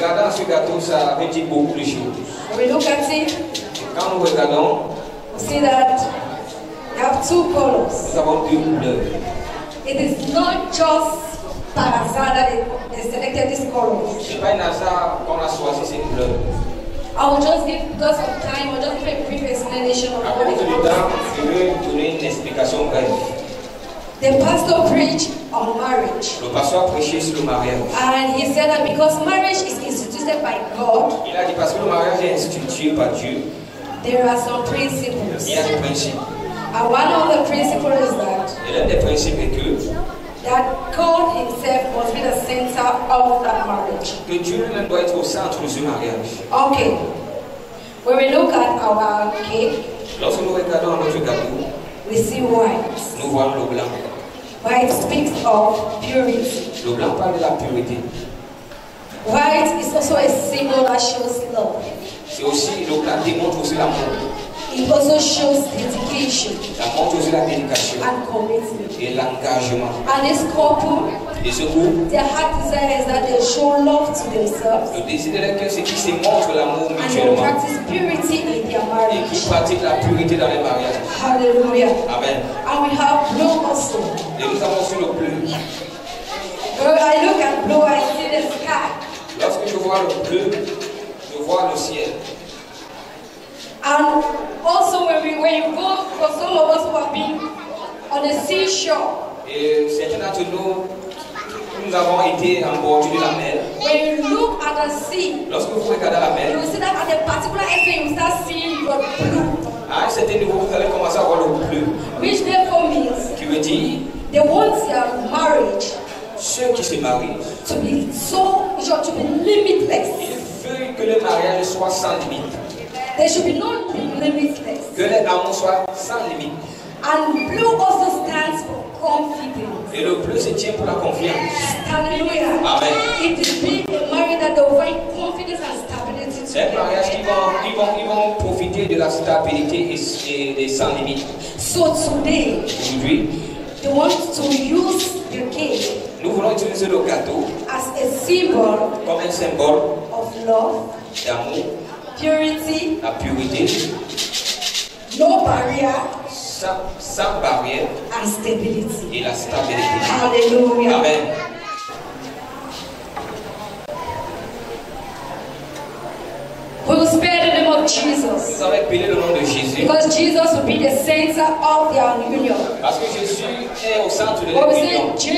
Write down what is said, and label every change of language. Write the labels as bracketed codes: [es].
[fr] Regardant ce gâteau, ça veut dire beaucoup de choses. [en] We look at it. [fr] Quand nous regardons, [en] we see that you have two colors. [fr] Nous avons deux couleurs. [en] It is not just [fr] par hasard [en] that they selected this color. [fr] C'est pas un hasard qu'on a choisi ces couleurs. [en] I will just give, because of time, I will just give a brief explanation of what it is. [fr] Temps, je vais donner une explication brève. [en] The pastor preached on marriage. [fr] Le pasteur prêchait sur le mariage. [en] And he said that because marriage is instituted by God. [fr] Il a dit parce que le mariage est institué par Dieu. [en] There are some principles. [fr] Il y a des principes. [en] And one of the principles is that. [fr] Et l'un des principes est que. [en] That God Himself must be the center of that marriage. [fr] Que Dieu lui-même doit être au centre du mariage. [en] Okay. When we look at our cake. [fr] Lorsque nous regardons notre gâteau. [en] We see white. [fr] Nous voyons le blanc. [en] White speaks of purity. [fr] Le blanc parle de la pureté. [en] White is also a symbol that shows love. [fr] C'est aussi le blanc démontre aussi l'amour. [en] It also shows dedication. [fr] Ça montre aussi la dédication. [en] And commitment. [fr] Et l'engagement. [en] And this couple. [fr] Et ce couple. [en] Their heart desire is that they show love to themselves. [fr] Le désir de leur cœur c'est qu'ils se montrent l'amour mutuellement. [en] And they practice purity in their marriage. [fr] Et qu'ils pratiquent la purité dans les mariages. [en] Hallelujah. Amen. And we have blue also. [fr] Et nous avons aussi le bleu. [en] When I look at blue, I see the sky. [fr] Lorsque je vois le bleu, je vois le ciel. [en] And also when you go, for some of us who have been on the seashore. [fr] Et certains d'entre nous avons été en bord de la mer. [en] When you look at the sea. [fr] Lorsque vous regardez la mer. [en] You see that at a particular effort, you start seeing your blue. [fr] À un certain niveau, vous allez commencer à voir le bleu. [en] Which therefore means. [fr] Qui veut dire. [en] They want their marriage. [fr] Ceux qui se marient. [en] To be so, genre, to be limitless. [fr] Ils veulent que le mariage soit sans limite. [en] There should be no limitless. [fr] Que les amours soient sans limite. [en] And blue also stands for confidence. [fr] Et le bleu se tient pour la confiance. [en] Hallelujah. Amen. It is being a marriage that they will find confidence and stability. [fr] C'est un mariage qui vont profiter de la stabilité et des sans limites. [en] So today, [fr] aujourd'hui, [en] they want to use the cake. [fr] Nous voulons utiliser le gâteau [en] as a symbol. [fr] Comme un symbole [en] of love. [fr] D'amour. [en] Purity, [fr] la pureté, [en] no barrier, [fr] sans barrière, [en] and stability. [fr] Et la stabilité. [en] Hallelujah. Amen. We will spare the name of Jesus. [fr] Nous allons bénir le nom de Jésus. [en] Because Jesus will be the center of their union. [fr] Parce que Jésus est au centre de leur union.